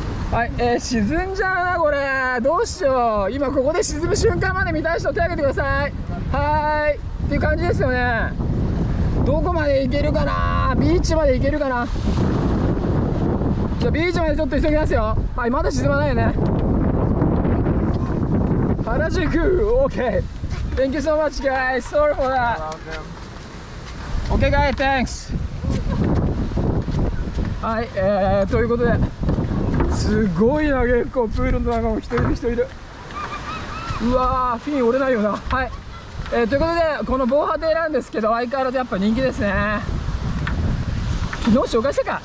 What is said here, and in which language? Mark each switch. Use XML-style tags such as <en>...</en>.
<ja>はい、沈んじゃうなこれ、どうしよう。今ここで沈む瞬間まで見たい人手を挙げてください。はーい、っていう感じですよね。どこまで行けるかな、ビーチまで行けるかな。じゃあビーチまでちょっと急ぎますよ。はい、まだ沈まないよね。</ja> <en>原宿 OK、 Thank you so much guys, sorry for thatOK guys, thanks。</en> <ja>はい、ということで、すごいな、結構プールの中も人いる人いる。うわー、フィン折れないよな。はい、ということでこの防波堤なんですけど、相変わらずやっぱ人気ですね。昨日紹介したか。</ja>